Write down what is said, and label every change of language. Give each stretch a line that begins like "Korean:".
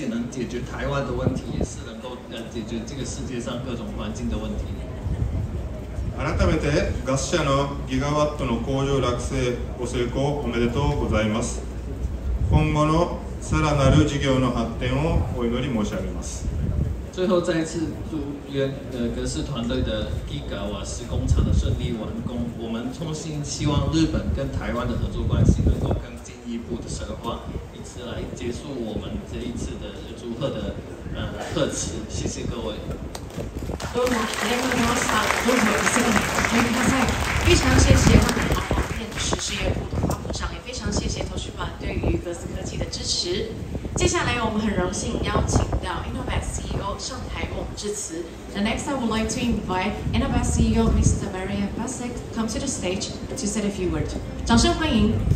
Chinese: 解决台湾的问题，也是能够解决这个世界上各种环境的问题。
Japanese: 改めてガス社のギガワットの工場落成ご成功おめでとうございます。今後のさらなる事業の発展をお祈り申し上げます。
Chinese: 最后再次祝愿格斯团队的ギガワット工厂的顺利完工。我们衷心希望日本跟台湾的合作关系能够更进一步的深化。来结束我们这一次的祝贺的贺词，谢谢各位。
Japanese: どうもありがとうございました。どうぞお席にお入りください。
Chinese: 非常谢谢我们的电池事业部的花部长，也非常谢谢投资团对于格斯科技的支持。接下来我们很荣幸邀请到 Innovex CEO 上台为我们致辞。
English: The next, I would like to invite Innovex CEO Mr. Maria Pasek come to the stage to say a few words.
Chinese: 掌声欢迎。